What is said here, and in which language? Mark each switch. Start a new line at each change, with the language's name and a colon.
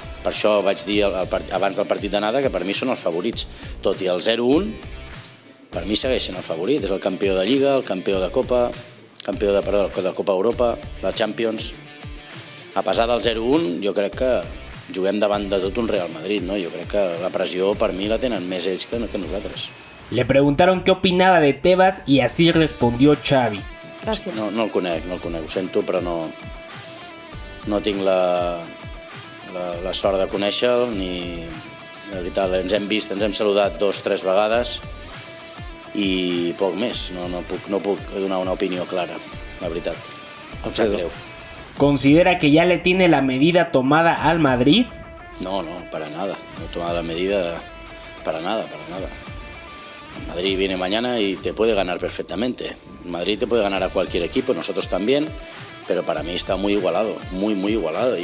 Catalan: Per això vaig dir abans del partit d'anada que per mi són els favorits, tot i el 0-1, per mi segueixen el favorit, és el campió de Lliga, el campió de Copa, de Copa Europa, la Champions.
Spanish: A pesar del
Catalan: 0-1, jo crec que juguem davant de tot un Real Madrid, no? Jo crec que la pressió per mi la tenen més ells que nosaltres.
Spanish: Le preguntaron qué opinaba de Tebas y así respondió Xavi. Gracias.
Catalan: No el conec, ho sento, però no tinc la sort de conèixer-lo, ni la veritat, ens hem vist, ens hem saludat 2-3 vegades, i poc més, no puc donar una opinió clara, la veritat. Em sap greu.
Spanish: ¿Considera que ya le tiene la medida tomada al Madrid? No, para nada. No he tomado la medida para nada. El Madrid viene mañana y te puede ganar perfectamente. El Madrid te puede ganar a cualquier equipo, nosotros también, pero para mí está muy igualado, muy, muy igualado.